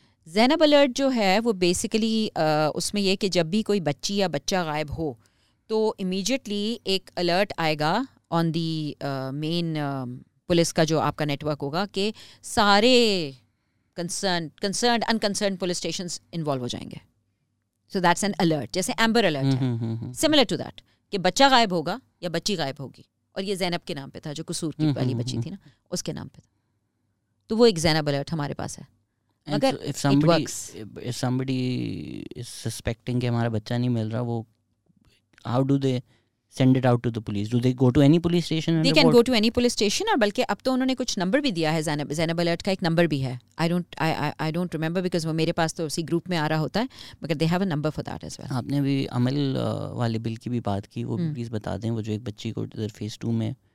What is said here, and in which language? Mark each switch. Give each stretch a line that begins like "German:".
Urdu: زینب alert جو ہے وہ بیسیکلی اس میں یہ کہ جب بھی کوئی بچی یا بچہ غائب ہو تو امیجیٹلی ایک الرٹ آئے گا آن دی مین پولیس کا جو آپ کا نیٹورک ہوگا, کہ سارے concerned unconcerned police stations involve ہو جائیں گے.
English: so that's an alert,
Urdu: جیسے ایمبر الرٹ ہے سملر ٹو دیٹ, کہ بچہ غائب ہوگا یا بچی غائب ہوگی. اور یہ زینب کے نام پہ تھا, جو قصور کی پہلی بچی تھی نا اس کے نام پہ تھا. تو وہ ایک زینب الرٹ ہمارے پاس ہے.
English: اگر if somebody is suspecting
Urdu: کہ ہمارا بچہ نہیں مل رہا,
English: وہ how do they send it out to the police? Do they go to any police station and report? They can go to any police station.
Urdu: Or بلکہ اب تو انہوں نے کچھ نمبر بھی دیا ہے, زینب الرٹ کا ایک نمبر بھی ہے.
English: I don't remember because
Urdu: وہ میرے پاس تو اسی گروپ میں آ رہا ہوتا ہے,
English: مگر they have a number for that as well.
Urdu: آپ نے ابھی عمل والے بل کی بھی بات کی, وہ پلیز بتا دیں, وہ جو ایک بچی کو ادھر فیز ٹو میں